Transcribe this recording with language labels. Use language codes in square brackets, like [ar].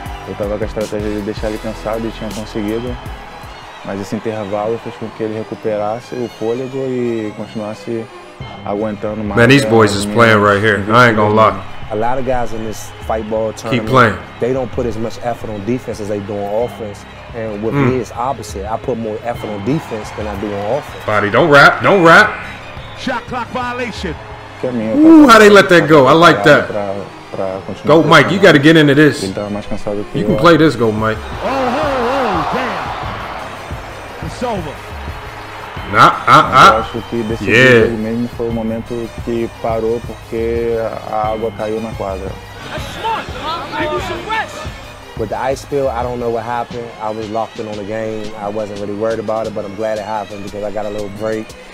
[pt] Eu tava com a estratégia de deixar ele cansado e tinha conseguido. Mas esse intervalo fez com que ele recuperasse o fôlego e continuasse aguentando mais. [en] Man, these boys is playing right here. I ain't gonna lie. A lot of guys in this fight ball tournament, keep playing. They don't put as much effort on defense as they do on offense. And with me, it's opposite. I put more effort on defense than I do on offense. Body, don't rap. Don't rap. Shot clock violation. Ooh, how they let that go. I like that. Go, Mike, you got to get into this. You can play this, Go, Mike. Oh, oh, oh, damn. It's over. Nah, ah, ah. [pt] Eu acho que desse jogo mesmo foi o momento que parou porque a água caiu na quadra. [en] With the ice spill, I don't know what happened. I was locked in on the game. I wasn't really worried about it, but I'm glad it happened because I got a little break.